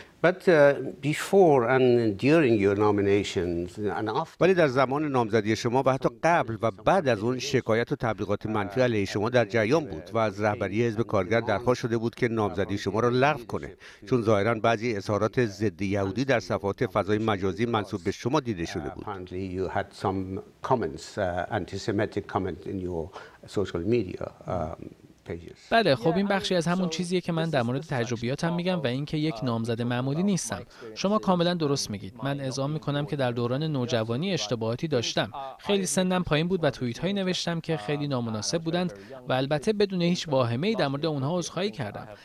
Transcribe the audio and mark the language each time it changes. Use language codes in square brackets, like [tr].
[en] But before and during your nominations and after [fa] ولی در زمان نامزدی شما و حتی قبل و بعد از اون شکایت و تبلیغات منفی علیه شما در جریان بود و از رهبری حزب کارگر درخواست شده بود که نامزدی شما را لغو کنه، چون ظاهرا بعضی اظهارات ضد یهودی در صفحات فضای مجازی منصوب به شما دیده شده بود. [en] You had some comments anti-Semitic comments in your social media [fa] بله خب این بخشی از همون چیزیه که من در مورد تجربیاتم میگم و اینکه یک نامزد معمولی نیستم. شما کاملا درست میگید. من اعزام میکنم که در دوران نوجوانی اشتباهاتی داشتم. خیلی سنم پایین بود و توییت‌هایی نوشتم که خیلی نامناسب بودند و البته بدون هیچ واهمه‌ای در مورد اونها عذرخواهی کردم.